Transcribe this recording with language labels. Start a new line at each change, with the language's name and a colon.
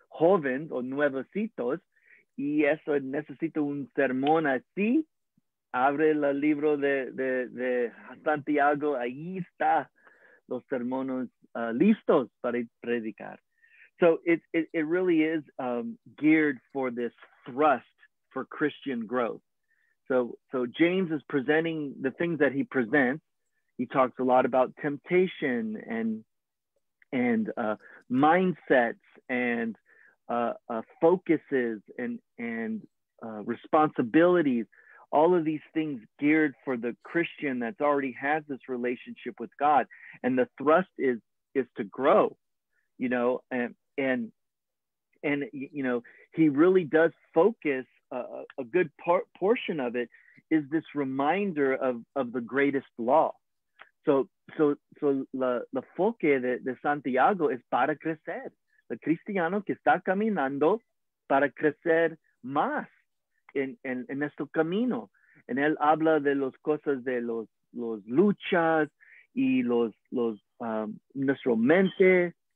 Spanish: jóvenes o nuevecitos, y eso necesito un sermón así. Abre el libro de Santiago, ahí está los sermones listos para predicar.
English: So it really is geared for this thrust for Christian growth. So James is presenting the things that he presents. He talks a lot about temptation and mindsets and focuses and responsibilities. All of these things geared for the Christian that's already has this relationship with God, and the thrust is to grow, you know, and you know, he really does focus a good portion of it is this reminder of the greatest law.
Spanish: So la foque de Santiago es para crecer, el cristiano que está caminando para crecer más en este camino. En él habla de las cosas de los luchas y los nuestro mente.